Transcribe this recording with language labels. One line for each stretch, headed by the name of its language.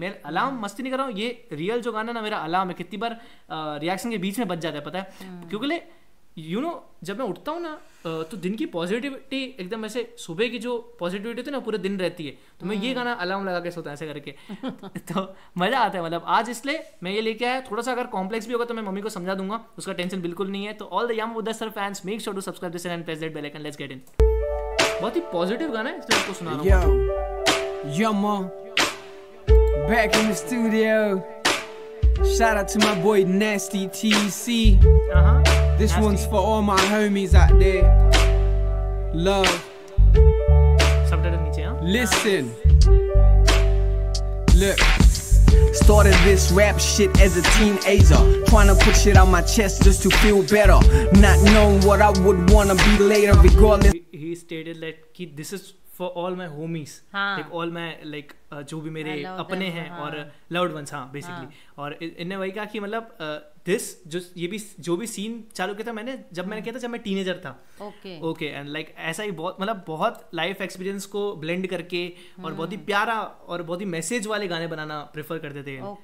Hindi: मैं अलार्म मस्ती नहीं कर रहा हूँ, ये रियल जो गाना ना मेरा अलार्म है, कितनी बार रिएक्शन के बीच में बच जाता है पता है, क्योंकि यू नो जब मैं उठता हूँ ना तो दिन की पॉजिटिविटी एकदम ऐसे सुबह की जो पॉजिटिविटी थी ना पूरे दिन रहती है, तो मैं ये गाना अलार्म लगा के सोता ऐसे करके तो मज़ा आता है। मतलब आज इसलिए मैं ये लेके आया, थोड़ा सा अगर कॉम्प्लेक्स भी होगा तो मैं मम्मी को समझा दूंगा, उसका टेंशन बिल्कुल नहीं है। तो
English: All the young Uday sir fans make sure to subscribe this and press that bell icon, let's get in.
Hindi: बहुत ही पॉजिटिव गाना है इसलिए आपको सुना रहा हूं।
English: Yamo back in the studio, shout out to my boy nasty TC. This Nasty. One's for all my homies out there. Love. Subtitle niche, huh? Listen. Look. Started this rap shit as a teenager, trying to put shit on my chest just to feel better, not knowing what I would wanna be later. Regardless. He stated that like, this is for all my homies.
Hindi: Haan.
English: Like all my like
Hindi: जो भी मेरे अपने हैं और loved ones हाँ basically. और इन्हें वही कहा कि मतलब दिस जो ये भी जो भी सीन चालू किया था मैंने जब मैंने किया था जब मैं टीनेजर था। ओके एंड लाइक ऐसा ही बहुत मतलब बहुत लाइफ एक्सपीरियंस को ब्लेंड करके और बहुत ही प्यारा और बहुत ही मैसेज वाले गाने बनाना प्रेफर करते थे।